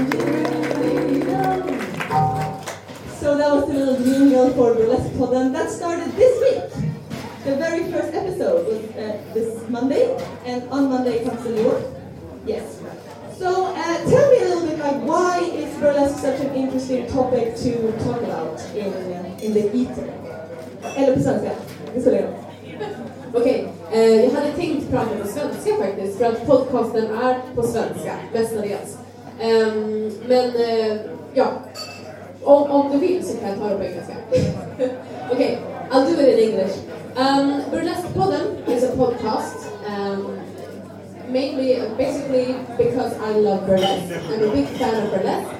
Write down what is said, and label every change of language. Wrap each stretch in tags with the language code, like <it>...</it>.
<en>So that was a little jingle for Burlesque Podden that started this week. The very first episode was this Monday, and on Monday comes the new one. Yes. So tell me a little bit, like, why is burlesque such an interesting topic to talk about in the ether?</en> <sv>Eller på svenska. Okej, jag hade tänkt prata på svenska faktiskt, för att podcasten är på svenska, mestadels. Men ja, om du vill så kan jag ta det på engelska.</sv> <en>Okej, I'll do it in English. Burlesque Podden is a podcast. Mainly, basically, because I love burlesque. I'm a big fan of burlesque.</en>